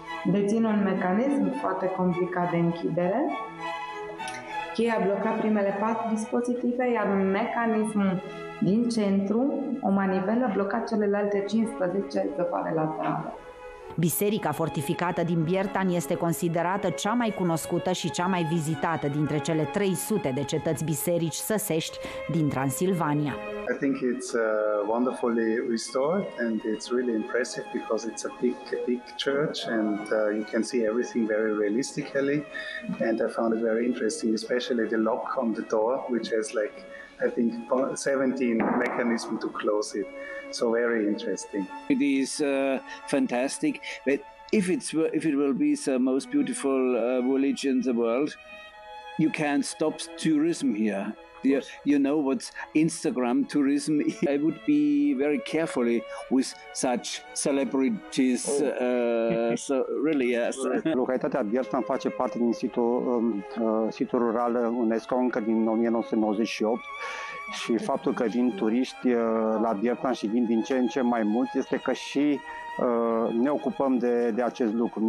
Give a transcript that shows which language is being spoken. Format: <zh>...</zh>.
<ro>Deține un mecanism foarte complicat de închidere. Cheia bloca primele 4 dispozitive, iar mecanismul din centru, o manivelă, bloca celelalte 15 zăpare laterale. Biserica fortificată din Biertan este considerată cea mai cunoscută și cea mai vizitată dintre cele 300 de cetăți biserici săsești din Transilvania.</ro> <en>I think it's wonderfully restored and it's really impressive because it's a big church and you can see everything very realistically, and I found it very interesting, especially the lock on the door, which has like I think 17 mechanisms to close it. So very interesting. It is fantastic, but if it will be the most beautiful village in the world, you can't stop tourism here. You know what Instagram tourism is. I would be very carefully with such celebrities. So really, yes.</en> <ro>Localitatea Biertan face parte din situl rural UNESCO încă din 1998. Și faptul că vin turiști la Biertan și vin din ce în ce mai mulți este că și ne ocupăm de acest lucru.</ro>